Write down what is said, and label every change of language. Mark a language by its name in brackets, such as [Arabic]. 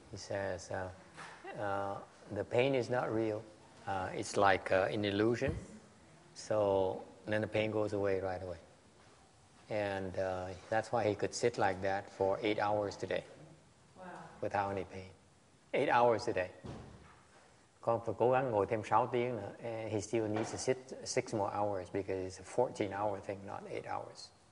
[English] He says the pain is not real. It's like an illusion. So then the pain goes away right away. And that's why he could sit like that for 8 hours today. Wow. Without any pain. 8 hours a day. [Vietnamese] Còn phải cố gắng ngồi thêm 6 tiếng nữa. [English] And he still needs to sit 6 more hours because it's a 14-hour thing, not 8 hours.